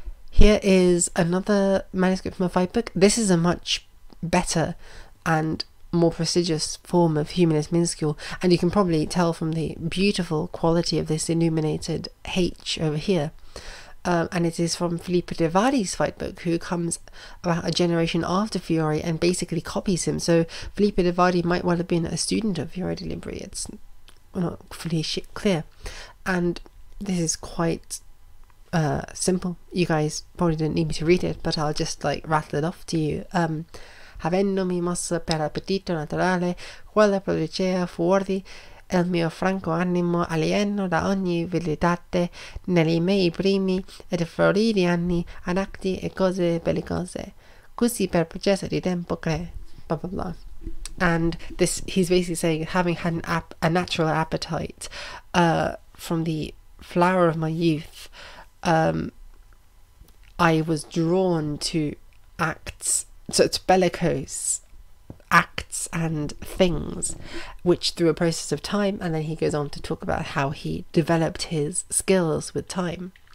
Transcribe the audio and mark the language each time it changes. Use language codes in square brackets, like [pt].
[en] Here is another manuscript from a fight book. This is a much better and more prestigious form of humanist minuscule, and you can probably tell from the beautiful quality of this illuminated H over here, and it is from Filippo de Vari's fight book, who comes about a generation after Fiori and basically copies him. So Filippo de Vari might well have been a student of Fiori di Libri, it's not fully clear, and this is quite simple. You guys probably didn't need me to read it, but I'll just like rattle it off to you. [it] Havendo mi mossa per appetito naturale, quale producea fuori il mio franco animo alieno da ogni vilitate, negli miei primi ed floridi anni ad acti e cose bellicose, così per processo di tempo cre, blah blah blah. [en] And this, he's basically saying, having had a natural appetite from the flower of my youth, I was drawn to acts, so it's bellicose acts and things, which through a process of time, and then he goes on to talk about how he developed his skills with time.